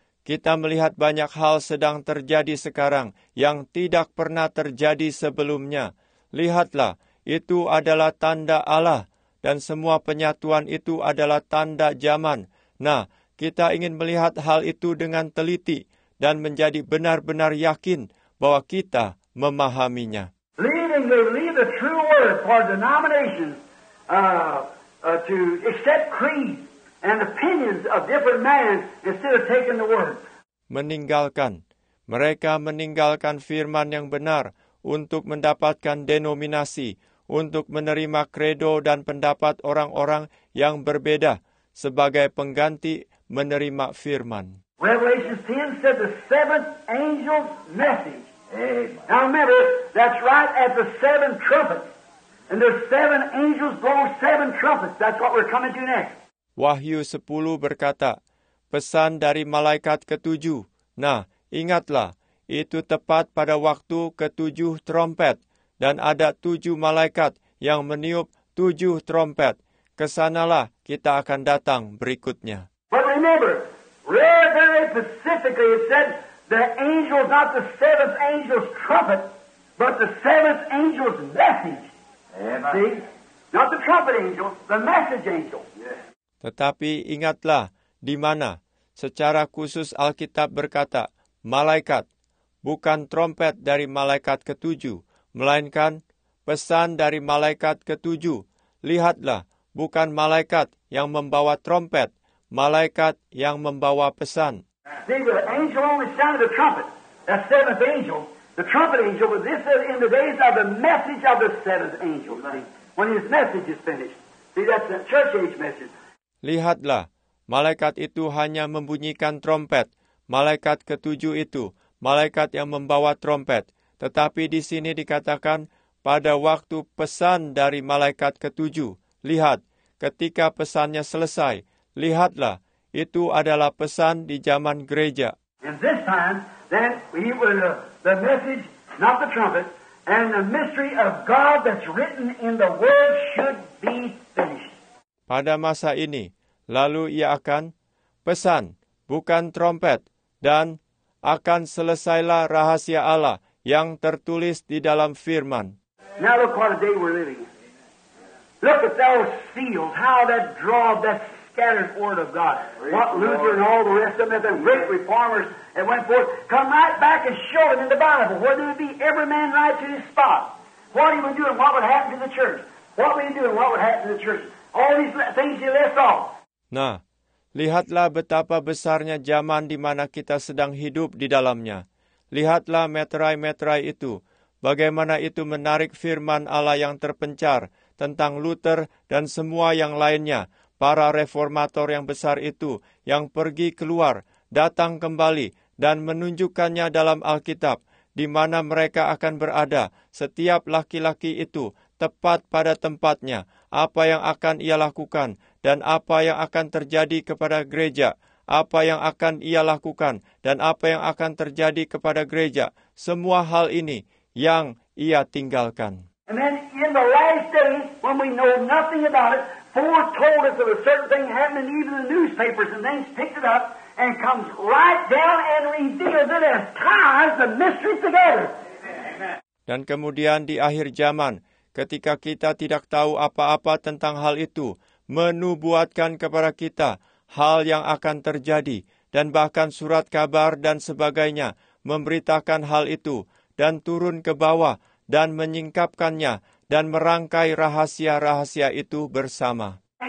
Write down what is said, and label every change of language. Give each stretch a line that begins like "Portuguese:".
Indonesian: Kita melihat banyak hal sedang terjadi sekarang yang tidak pernah terjadi sebelumnya. Lihatlah, itu adalah tanda Allah, dan semua penyatuan itu adalah tanda zaman. Nah, kita ingin melihat hal itu dengan teliti dan menjadi benar-benar yakin bahwa kita memahaminya.
English: Leading, they leave the true word for denomination to accept creed and opinions of different men instead of taking the word.
Indonesian: Meninggalkan. Mereka meninggalkan firman yang benar untuk mendapatkan denominasi, untuk menerima kredo dan pendapat orang-orang yang berbeda sebagai pengganti menerima firman.
English: Revelation 10 said the seventh angel's message. Now remember, that's right at the seven trumpets. And the seven angels blow seven trumpets. That's what we're coming to next.
Indonesian: Wahyu 10 berkata, pesan dari malaikat ketujuh. Nah, ingatlah, itu tepat pada waktu ketujuh trompet. Dan ada tujuh malaikat yang meniup tujuh trompet. Kesanalah kita akan datang berikutnya.
English: But remember, very specifically it said, the angel is not the seventh angel's trumpet, but the seventh angel's message. See? Not the trumpet angel, the message angel.
Indonesian: Tetapi ingatlah di mana secara khusus Alkitab berkata malaikat, bukan trompet dari malaikat ketujuh, melainkan pesan dari malaikat ketujuh. Lihatlah, bukan malaikat yang membawa trompet, malaikat yang membawa pesan.
English: See, the angel only sounded the trumpet, the seventh angel. The trumpet angel, but this is in the days of the message of the seventh angel. When his message is finished. See, that's the church age message.
Indonesian: Lihatlah, malaikat itu hanya membunyikan trompet. Malaikat ketujuh itu, malaikat yang membawa trompet. Tetapi di sini dikatakan, pada waktu pesan dari malaikat ketujuh. Lihat, ketika pesannya selesai, lihatlah, itu adalah pesan di zaman gereja.
English: And this time, then we will, the message, not the trumpet, and the mystery of God that's written in the word should be finished.
Indonesian: Pada masa ini, lalu ia akan pesan, bukan trompet, dan akan selesailah rahasia Allah yang tertulis di dalam firman.
English: Now look what a day we're living in. Look at those seals, how that draw that scattered word of God. What Luther and all the rest of them, the great reformers that went forth, come right back and show it in the Bible. Whether it be every man right to his spot. What he would do and what would happen to the church. What would he do and what would happen to the church. All these things you left off.
Indonesian: Nah, lihatlah betapa besarnya zaman di mana kita sedang hidup di dalamnya. Lihatlah meterai-meterai itu, bagaimana itu menarik firman Allah yang terpencar tentang Luther dan semua yang lainnya, para reformator yang besar itu yang pergi keluar, datang kembali dan menunjukkannya dalam Alkitab di mana mereka akan berada, setiap laki-laki itu tepat pada tempatnya. Apa yang akan ia lakukan, dan apa yang akan terjadi kepada gereja, apa yang akan ia lakukan, dan apa yang akan terjadi kepada gereja, semua hal ini yang ia tinggalkan.
English: And then in the last day, when we know nothing about it, foretold us of a certain thing happening, even the newspapers and things picked it up, and comes right down and reveals it as ties the mystery together. Amen.
Indonesian: Dan kemudian di akhir zaman, ketika kita tidak tahu apa-apa tentang hal itu, menubuatkan kepada kita hal yang akan terjadi, dan bahkan surat kabar dan sebagainya memberitakan hal itu, dan turun ke bawah, dan menyingkapkannya, dan merangkai rahasia-rahasia itu bersama.